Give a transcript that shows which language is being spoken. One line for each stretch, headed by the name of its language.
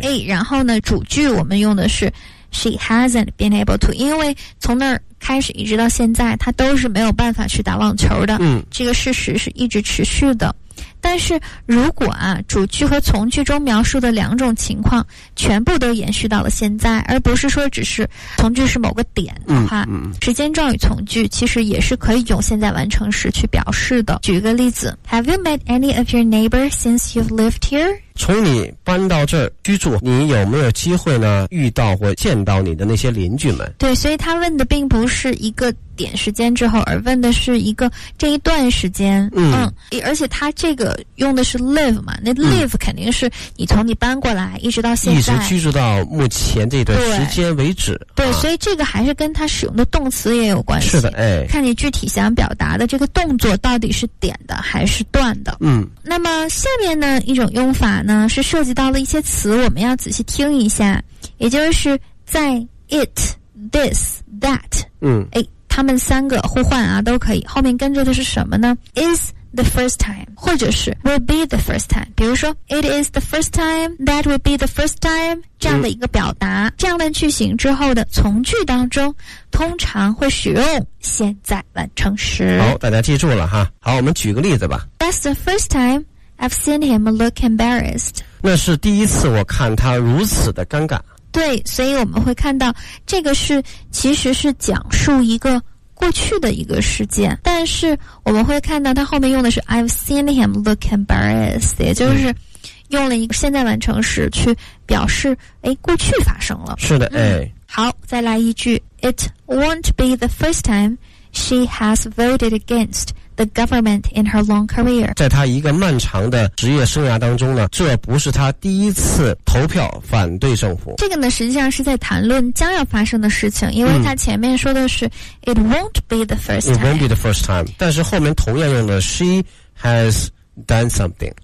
Chinese: 然后呢主句我们用的是
English: she hasn't been able to，
Chinese: 因为从那儿开始一直到现在她都是没有办法去打网球的，这个事实是一直持续的。但是如果啊主句和从句中描述的两种情况全部都延续到了现在，而不是说只是从句是某个点的话，时间状语从句其实也是可以用现在完成时去表示的。举一个例子，
English: Have you met any of your neighbors since you've lived here？
Chinese: 从你搬到这居住，你有没有机会呢遇到或见到你的那些邻居们？对，所以他问的并不是一个点时间之后，而问的是一个这一段时间。而且他这个用的是 live 嘛，那 live 肯定是你从你搬过来一直到现在，一直居住到目前这段时间为止。对，所以这个还是跟他使用的动词也有关系。是的，看你具体想表达的这个动作到底是点的还是断的。那么下面呢一种用法呢是涉及到了一些词，我们要仔细听一下，也就是在 it this that， 他们三个互换啊都可以，后面跟着的是什么呢？
English: is the first time
Chinese: 或者是
English: will be the first time，
Chinese: 比如说
English: it is the first time， that will be the first time，
Chinese: 这样的一个表达。这样的句型之后的从句当中通常会使用现在完成时。好，大家记住了哈。好，我们举个例子吧。
English: That's the first time I've seen him look embarrassed。
Chinese: 那是第一次我看他如此的尴尬。对，所以我们会看到这个是其实是讲述一个过去的一个事件，但是我们会看到它后面用的是
English: I've seen him look embarrassed，
Chinese: 也就是用了一个现在完成时去表示过去发生了。是的，好，再来一句。
English: It won't be the first time she has voted against the government in her long career。
Chinese: 在她一个漫长的职业生涯当中呢，这不是她第一次投票反对政府。这个呢实际上是在谈论将要发生的事情，因为她前面说的是
English: it won't be the first time。 it won't be the first time，
Chinese: 但是后面同样用的
English: she has done something。